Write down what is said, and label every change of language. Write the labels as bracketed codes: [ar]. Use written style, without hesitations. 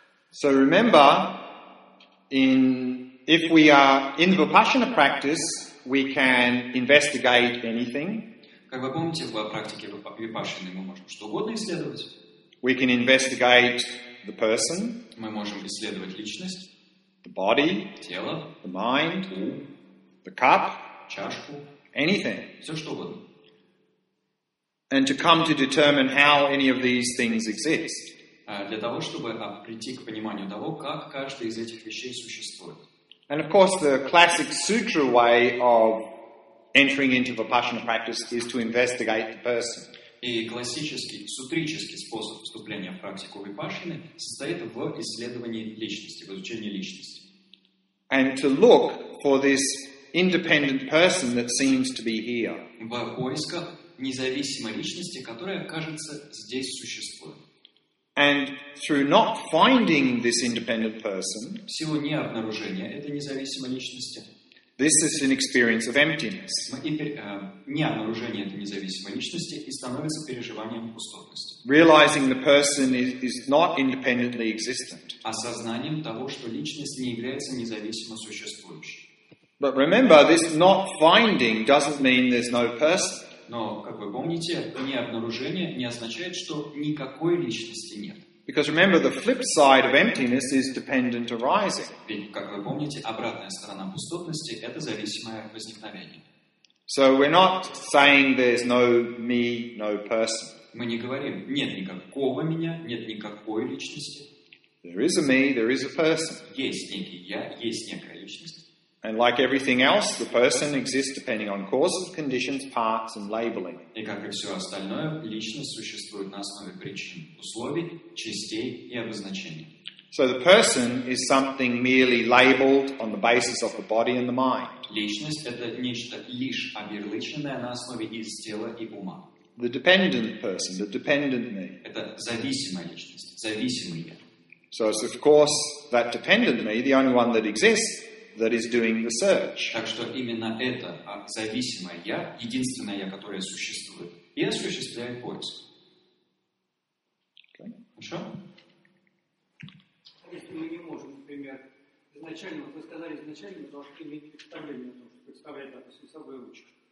[en] So remember, if we are in the Vipassana practice, we can investigate anything. [ru] Как вы помните, в практике Vipassana мы можем что угодно исследовать. [en] We can investigate the person. [ru] Мы можем исследовать личность. [en] The body. [ru] Тело. [en] The mind. [ru] Ум. [en] The cup. [ru] Чашку. [en] Anything. [ru] Все что угодно. [en] And to come to determine how any of these things exist. [ru] Для того, чтобы прийти к пониманию того, как каждая из этих вещей существует. [en] And of course, the classic sutra way of entering into Vipassana practice is to investigate the person. [ru] И классический, сутрический способ вступления в практику Випашаны состоит в исследовании личности, в изучении личности. [en] And to look for this independent person that seems to be here. [ru] В поисках независимой личности, которая, кажется, здесь существует. [en] And through not finding this independent person, [ru] в силу необнаружения этой независимой личности, [en] this is an experience of emptiness. [ru] Необнаружение этой независимой личности и становится переживанием пустотности. [en] Realizing the person is not independently existent. [ru] Осознанием того, что личность не является независимо существующей. [en] But remember, this not finding doesn't mean there's no person. [ru] Но, как вы помните, не обнаружение не означает, что никакой личности нет. [en] Because remember, the flip side of emptiness is dependent arising. [ru] Ведь, как вы помните, обратная сторона пустотности – это зависимое возникновение. [en] So we're not saying there's no me, no person. [ru] Мы не говорим, нет никакого меня, нет никакой личности. [en] There is a me, there is a person. [ru] Есть некий я, есть некая личность. [en] And like everything else, the person exists depending on causes, conditions, parts, and labeling. [ru] И как и все остальное, личность существует на основе причин, условий, частей и обозначений. [en] So the person is something merely labeled on the basis of the body and the mind. [ru] Личность — это нечто лишь оберличенное на основе из тела и ума. [en] The dependent person, the dependent me. [ru] Это зависимая личность, зависимый я. [en] So it's of course that dependent me, the only one that exists, that is doing the search. [ru] Так что именно это зависимое я, единственное я, которое существует, и осуществляет поиск. [en] Okay. [ru] Хорошо? Если мы не можем, например, изначально, вот вы сказали изначально, мы должны иметь представление, представлять, допустим, собой ручку.